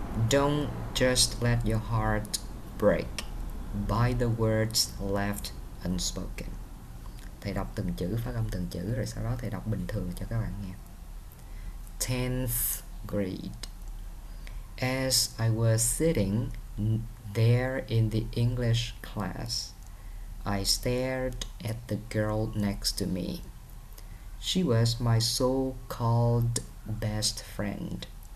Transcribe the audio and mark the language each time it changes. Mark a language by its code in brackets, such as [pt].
[en] Don't just let your heart break by the words left unspoken. [vi] Thầy đọc từng chữ, phát âm từng chữ rồi sau đó thầy đọc bình thường cho các bạn nghe. [en] 10th grade. As I was sitting there in the English class, I stared at the girl next to me. She was my so-called best friend.